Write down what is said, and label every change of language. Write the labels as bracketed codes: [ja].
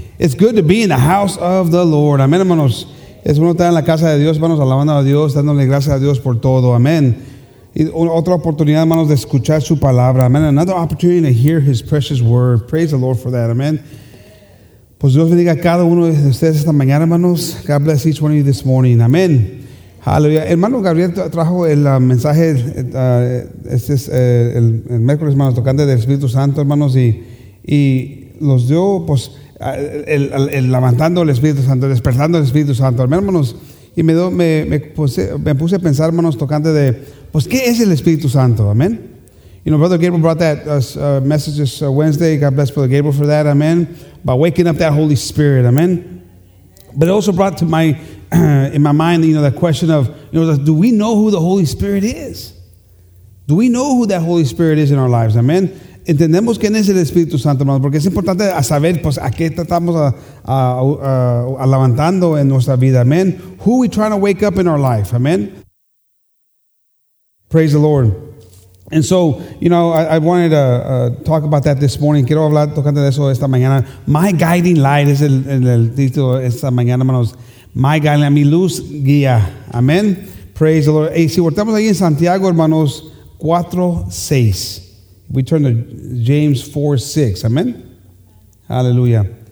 [en] It's good to be in the house of the Lord. [es] Amen, hermanos. Es bueno estar en la casa de Dios, hermanos, alabando a Dios, dándole gracias a Dios por todo. Amén. Y otra oportunidad, hermanos, de escuchar su palabra. [en] Amén. Another opportunity to hear his precious word. Praise the Lord for that. Amén. [es] Pues Dios bendiga a cada uno de ustedes esta mañana, hermanos. [en] God bless each one of you this morning. [es] Amén. Aleluya. Hermano Gabriel trajo el mensaje el miércoles, hermanos, tocante del Espíritu Santo, hermanos, y los dio, pues... El levantando el Espíritu Santo, despertando el Espíritu Santo, hermanos, y me puse a pensar, hermanos, tocante de, pues, ¿qué es el Espíritu Santo? Amén. [en] You know, Brother Gabriel brought that message this Wednesday. God bless Brother Gabriel for that. Amen. By waking up that Holy Spirit. Amen. But it also brought to my in my mind, you know, the question of, you know, do we know who the Holy Spirit is? Do we know who that Holy Spirit is in our lives? Amen. [es] Entendemos quién es el Espíritu Santo, hermanos, porque es importante saber, pues, a qué estamos a levantando en nuestra vida. Amen. [en] Who are we trying to wake up in our life? Amen. Praise the Lord. And so, you know, I wanted to talk about that this morning. [es] Quiero hablar tocando de eso esta mañana. My guiding light es el título esta mañana, hermanos. [en] My guiding light, [es] mi luz guía. [en] Amen. Praise the Lord. [es] Y si volteamos ahí en Santiago, hermanos, 4:6. [en] We turn to James 4:6. Amen. Hallelujah.